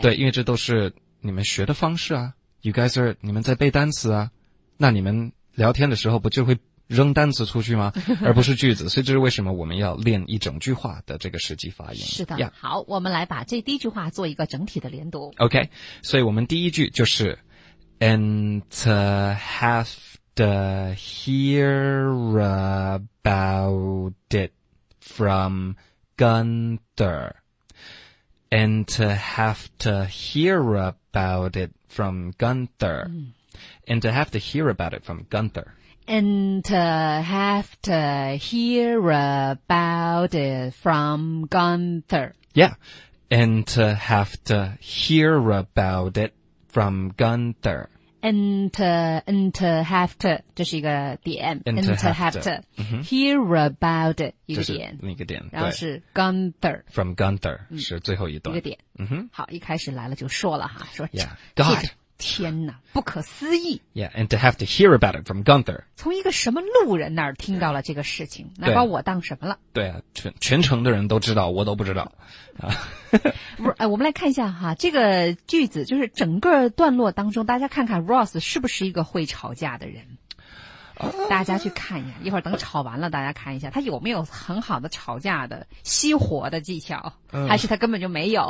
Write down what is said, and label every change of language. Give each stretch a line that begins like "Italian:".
Chinese: 对，因为这都是你们学的方式啊。
English: You guys are
Chinese: 你们在背单词啊，那你们聊天的时候不就会扔单词出去吗？而不是句子。所以这是为什么我们要练一整句话的这个实际发音。是的、yeah. 好，我们来把这第一句话做一个整体的连读。
English: OK，
Chinese: 所以我们第一句就是
English: And to have to hear about it from Gunther And to have to hear about it from Gunther And to have to hear about it from Gunthr And to have to hear about it from Gunther. Yeah. And to have to hear about it from Gunther.
Chinese: Interhafter 这是一个点 Interhafter、 Hear about 一个点那个点然后是 Gunther
English: From Gunther、
Chinese: 是最后一段一个点、好一开始来了就说了哈说
English: God
Chinese: 天哪不可思议
English: Yeah, and to have to hear about it from Gunther
Chinese: 从一个什么路人那儿听到了这个事情那把我当什么了对啊 全城的人都知道我都不知道不是、我们来看一下哈，这个句子就是整个段落当中大家看看 Ross 是不是一个会吵架的人大家去看一下一会儿等吵完了大家看一下他有没有很好的吵架的熄火的技巧、还是他根本就没有